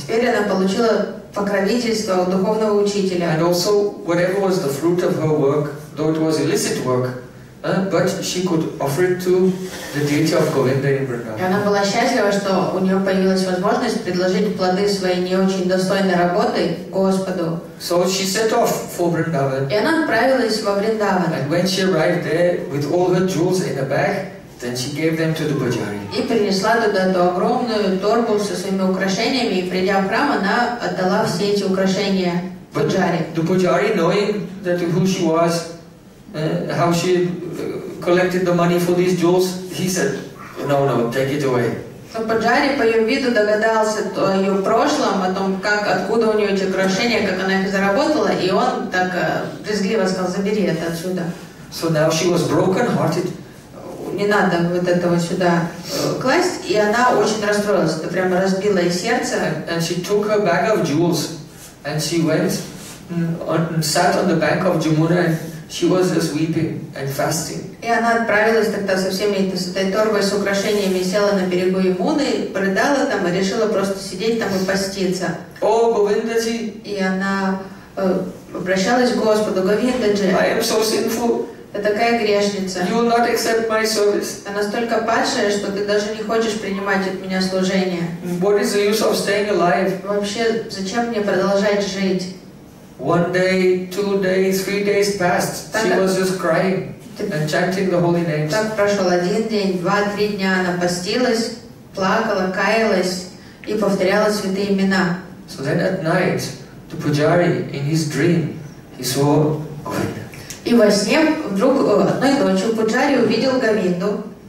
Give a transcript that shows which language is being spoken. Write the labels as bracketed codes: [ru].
[ru] Теперь она получила покровительство у духовного учителя. [en] And also, whatever was the fruit of her work, though it was illicit work, but she could offer it to the deity of Govinda in Vrindavan. [ru] И она была счастлива, что у нее появилась возможность предложить плоды своей не очень достойной работы Господу. [en] So she set off for Vrindavan. [ru] И она отправилась во Вриндаван. [en] And when she arrived there with all her jewels in a bag, then she gave them to the Bhajari. [ru] И принесла туда эту огромную торбу со своими украшениями, и придя в храм, она отдала все эти украшения Bhajari. [en] The Bhajari, knowing that who she was, how she collected the money for these jewels, he said, no, no, take it away. [ru] Но Bhajari по ее виду догадался о ее прошлом, о том, как, откуда у нее эти украшения, как она их заработала, и он так брезгливо сказал, забери это отсюда. [en] So now she was broken-hearted. [ru] Не надо вот этого сюда класть, и она очень расстроилась, это прямо разбило ей сердце. [en] And she took her bag of jewels, and she went and sat on the bank of Jamuna, and she was just weeping and fasting. [ru] И она отправилась тогда со всеми этой торбой с украшениями, села на берегу Ямуны, рыдала там и решила просто сидеть там и поститься. О, Говиндаджи! И она обращалась к Господу, Говиндаджи. [en] I am so sinful. [ru] Ты такая грешница. [en] You will not accept my service. [ru] Ты настолько падшая, что ты даже не хочешь принимать от меня служение. [en] What is the use of staying alive? [ru] Вообще, зачем мне продолжать жить? [en] One day, 2 days, 3 days passed. She was just crying and chanting the holy names. [ru] Так прошел один день, два, три дня. Она постилась, плакала, каялась и повторяла святые имена. [en] So then at night, the Pujari, in his dream, he saw Govinda. [ru] И во сне вдруг одной ночью Пуджари увидел Говинду.